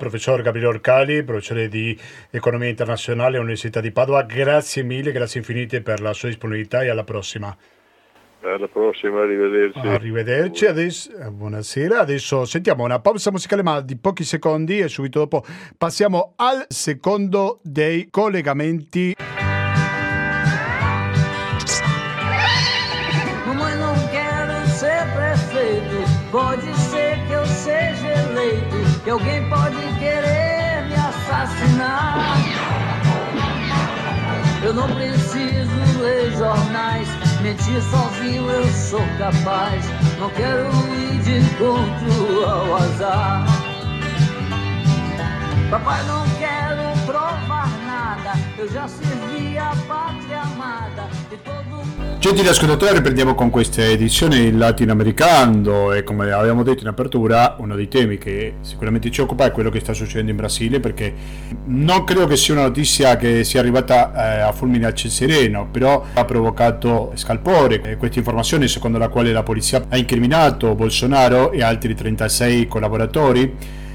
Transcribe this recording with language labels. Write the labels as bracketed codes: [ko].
[it] Professor Gabriele Orcali, professore di Economia Internazionale all'Università di Padova, grazie mille, grazie infinite per la sua disponibilità e alla prossima. Alla prossima, arrivederci. Arrivederci, buonasera. Adesso sentiamo una pausa musicale, ma di pochi secondi, e subito dopo passiamo al secondo dei collegamenti. [pt] Mamma, non quero sempre feito. Pode ser que eu seja eleito. Que alguém pode querer me assassinar. Eu não preciso ler jornais. Mentir sozinho eu sou capaz. Não quero ir de encontro ao azar. Papai, não quero provar nada. Eu já servi a pátria amada e todo mundo. [it] Gentili ascoltatori, riprendiamo con questa edizione il latinoamericano. E come avevamo detto in apertura, uno dei temi che sicuramente ci occupa è quello che sta succedendo in Brasile, perché non credo che sia una notizia che sia arrivata a fulmine a ciel sereno, però ha provocato scalpore questa informazione secondo la quale la polizia ha incriminato Bolsonaro e altri 36 collaboratori